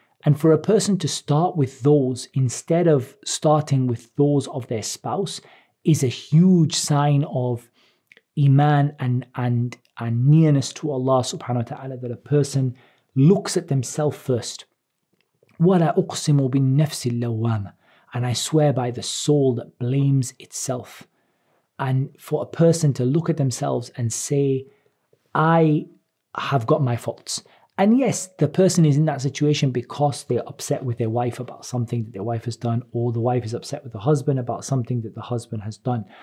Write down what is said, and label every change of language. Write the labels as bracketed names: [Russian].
[English] And for a person to start with those instead of starting with those of their spouse is a huge sign of iman and nearness to Allah subhanahu wa ta'ala, that a person looks at themselves first. [Arabic] ولا أقسم بالنفس اللوامة. [English] And I swear by the soul that blames itself. And for a person to look at themselves and say, I have got my faults. And yes, the person is in that situation because they're upset with their wife about something that their wife has done, or the wife is upset with the husband about something that the husband has done.